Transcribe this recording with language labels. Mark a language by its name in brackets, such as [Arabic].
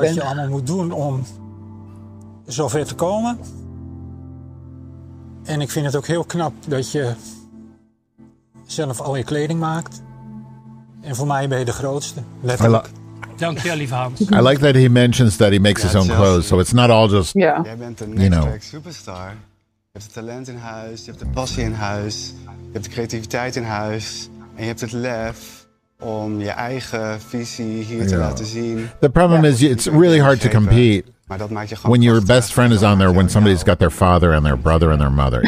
[Dutch] Wat je allemaal moet doen om zover te komen. En ik vind het ook heel knap dat je zelf al je kleding maakt. En voor mij ben je de grootste. Letterlijk. [English] I like that he mentions that he makes his own clothes, so it's not all just. Yeah. You know. [Dutch] Jij bent een next [English] track superstar. [Dutch] Je hebt het talent in huis. Je hebt de passie in huis. Je hebt de creativiteit in huis. En je hebt het lef om je eigen visie hier te laten zien. [English] The problem is, it's really hard to compete when your best friend is on there when somebody's got their father and their brother and their mother.